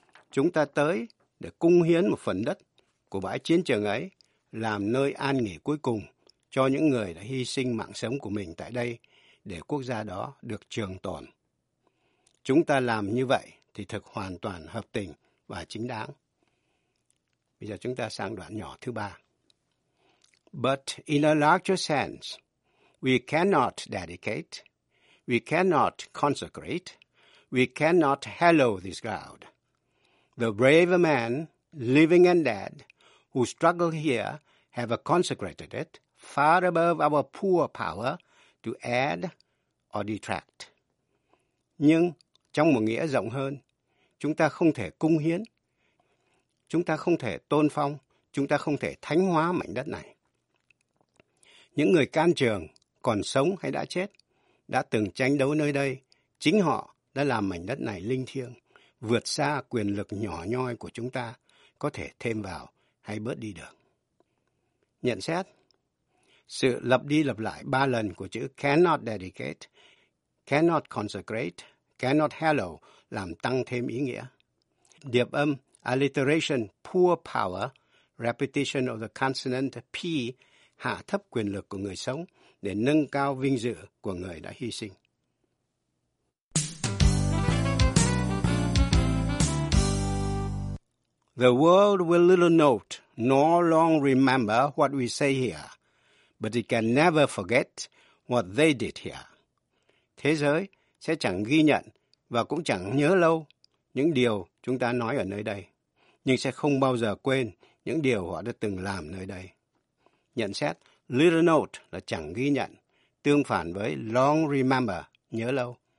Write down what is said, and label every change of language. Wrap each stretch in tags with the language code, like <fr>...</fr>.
<vi>Chúng ta tới để cung hiến một phần đất của bãi chiến trường ấy làm nơi an nghỉ cuối cùng cho những người đã hy sinh mạng sống của mình tại đây để quốc gia đó được trường tồn. Chúng ta làm như vậy thì thực hoàn toàn hợp tình và chính đáng. Bây giờ chúng ta sang đoạn nhỏ thứ ba.</vi> <en>But in a larger sense, we cannot dedicate, we cannot consecrate, we cannot hallow this ground. The brave men, living and dead, who struggle here have consecrated it far above our poor power to add or detract.</en> <vi>Nhưng trong một nghĩa rộng hơn, chúng ta không thể cung hiến, chúng ta không thể tôn phong, chúng ta không thể thánh hóa mảnh đất này. Những người can trường, còn sống hay đã chết, đã từng tranh đấu nơi đây, chính họ đã làm mảnh đất này linh thiêng, vượt xa quyền lực nhỏ nhoi của chúng ta, có thể thêm vào hay bớt đi được. Nhận xét, sự lặp đi lặp lại ba lần của chữ</vi> <en>cannot dedicate, cannot consecrate, cannot hallow</en> <vi>làm tăng thêm ý nghĩa. Điệp âm</vi> <en>alliteration poor power, repetition of the consonant P</en> <vi>hạ thấp quyền lực của người sống để nâng cao vinh dự của người đã hy sinh.</vi> <en>The world will little note nor long remember what we say here, but it can never forget what they did here.</en> <vi>Thế giới sẽ chẳng ghi nhận và cũng chẳng nhớ lâu những điều chúng ta nói ở nơi đây, nhưng sẽ không bao giờ quên những điều họ đã từng làm nơi đây. Nhận xét,</vi> <en>little note</en> <vi>là chẳng ghi nhận, tương phản với</vi> <en>long remember,</en> <vi>nhớ lâu.</vi>